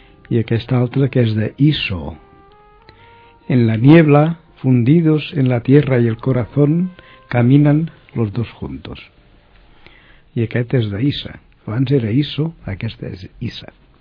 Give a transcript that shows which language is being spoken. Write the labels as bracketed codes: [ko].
[ca] I aquesta altra que és de Iso. [es] En la niebla, fundidos en la tierra y el corazón, caminan los dos juntos. [ca] I aquest és d'Isa. Abans era Iso, aquesta és Isa.